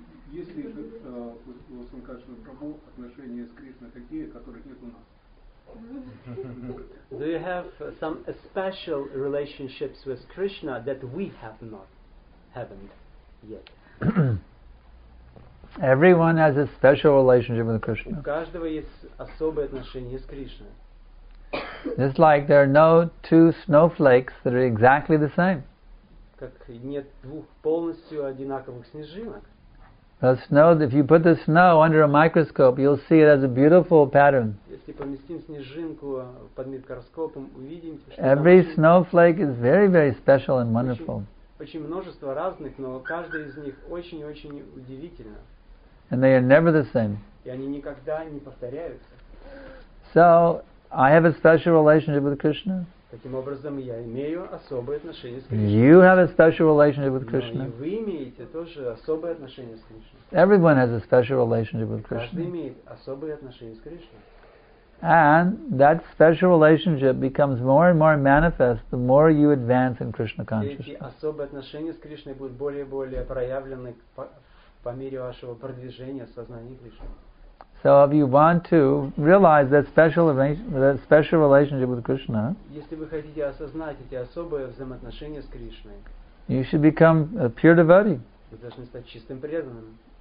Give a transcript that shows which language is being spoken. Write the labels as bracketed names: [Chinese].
[Russian] Есть ли у Санкашина Прабху отношения с Кришной такие, которых нет у нас? [English] Do you have some special relationships with Krishna that we have not, haven't yet? Everyone has a special relationship with Krishna. [Russian] У каждого есть особые отношения с Кришной. [English] Just like there are no two snowflakes that are exactly the same. [Russian] Как нет двух полностью одинаковых снежинок. [English] The snow, if you put the snow under a microscope, you'll see it as a beautiful pattern. [Russian] Если поместим снежинку под микроскопом, увидим, что [English] every snowflake is very, very special and wonderful. [Russian] Очень множество разных, но каждый из них очень-очень удивительно. [English] And they are never the same. [Russian] И они никогда не повторяются. [English] So, I have a special relationship with Krishna. [Russian] Таким образом, я имею особые отношения с [English] Кришной. You have a special relationship with Krishna. [Russian] И вы имеете тоже особые отношения с Кришной. [English] Everyone has a special relationship with Krishna. [Russian] Каждый имеет особые отношения с Кришной. [English] And that special relationship becomes more and more manifest the more you advance in Krishna consciousness. [Russian] Эти особые отношения с Кришной будут более и более проявлены по мере вашего продвижения в сознании Кришны. [English] So if you want to realize that special relationship with Krishna, [Russian] если вы хотите осознать эти особые взаимоотношения с Кришной, [English] you should become a pure devotee. [Russian] Вы должны стать чистым преданным.